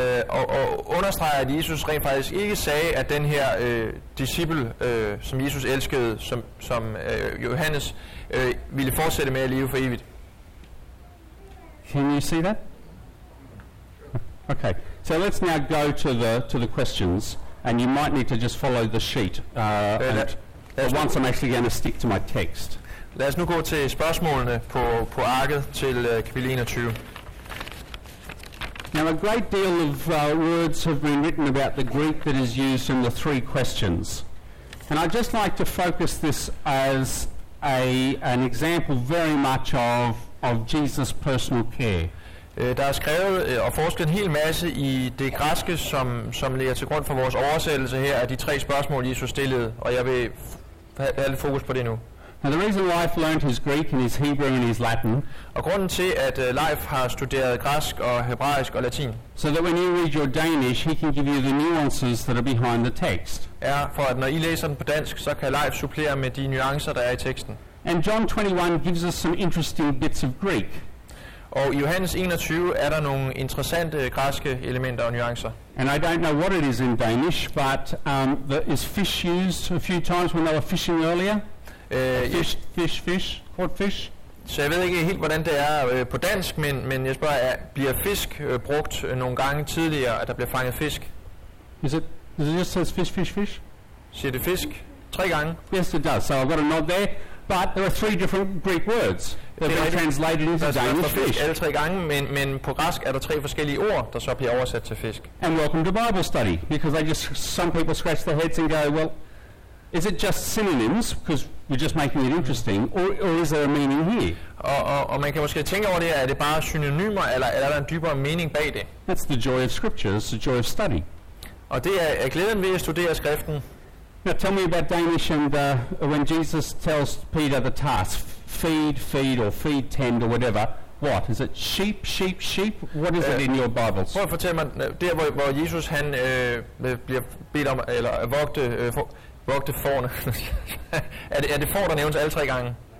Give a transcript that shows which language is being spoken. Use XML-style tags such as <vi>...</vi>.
<da>Og understreger, at Jesus rent faktisk ikke sagde, at den her disciple, som Jesus elskede, som Johannes, ville fortsætte med at leve for evigt.</da> <en>Can you see that? Okay. So let's now go to the questions, and you might need to just follow the sheet. Once I'm actually going to stick to my text.</en> <da>Lad os nu gå til spørgsmålene på arket til kapitel 21.</da> <en>Now a great deal of words have been written about the Greek that is used in the three questions, and I'd just like to focus this as an example very much of Jesus personal care.</en> <da>Der er skrevet og forsket en hel masse i det græske, som ligger til grund for vores oversættelse her af de tre spørgsmål Jesus stillede, og jeg vil have lidt fokus på det nu.</da> <en>Now the reason Leif learned his Greek and his Hebrew and his Latin.</en> <da>Og grunden til at Leif har studeret græsk og hebraisk og latin.</da> <en>So that when you read your Danish, he can give you the nuances that are behind the text.</en> <da>Ja, for at når I læser den på dansk, så kan Leif supplere med de nuancer der er i teksten.</da> <en>And John 21 gives us some interesting bits of Greek.</en> <da>Og i Johannes 21 er der nogle interessante græske elementer og nuancer.</da> <en>And I don't know what it is in Danish, but there is fish used a few times when they were fishing earlier. Fish, caught fish.</en> <da>Så jeg ved ikke helt, hvordan det er på dansk, men jeg spørger, bliver fisk brugt nogle gange tidligere, at der bliver fanget fisk?</da> <en>Is it just says fish?</en> <da>Siger det fisk? Tre gange?</da> <en>Yes, it does. So I've got a nod there. But there are three different Greek words that have been translated into Danish fish.</en> <da>Alle tre gange, men på græsk er der tre forskellige ord, der så bliver oversat til fisk.</da> <en>And welcome to Bible study, because some people scratch their heads and go, well, is it just synonyms, because we're just making it interesting, or is there a meaning here?</en> <da>Og man kan måske tænke over det, er det bare synonymer, eller er der en dybere mening bag det?</da> <en>That's the joy of scripture, it's the joy of study.</en> <da>Og det er glæden ved at studere skriften.</da> <en>Now tell me about Danish and when Jesus tells Peter the task, feed or feed tend or whatever. What is it? Sheep? What is it in your Bibles?</en> <da>Prøv at fortælle mig der hvor Jesus han bliver bedt om eller vogte vogte fårene. er det får der nævnes alle tre gange?</da>